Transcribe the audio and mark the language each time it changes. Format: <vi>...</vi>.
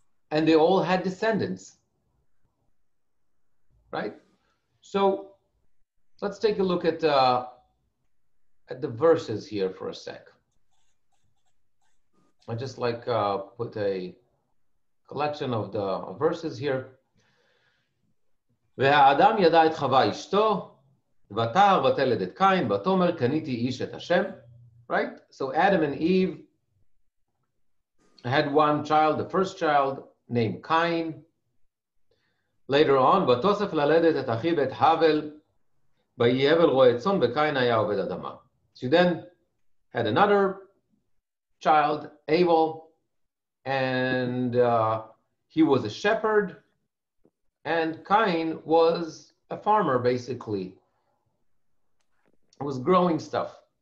<en>And they all had descendants, right? So let's take a look at the verses here for a sec. I just like put a collection of the verses here.</en> <he>והאדם ידע את חווה אשתו, ותהר ותלד את קין, ותאמר קניתי איש את השם.</he> <en>Right? So Adam and Eve had one child, the first child, named Cain. Later on,</en> <he>ותוסף ללדת את אחיו את הבל, ויהי הבל רועה צאן, וקין היה עובד אדמה.</he> <en>She then had another child, Abel, and he was a shepherd, and Cain was a farmer, basically. He was growing stuff.</en>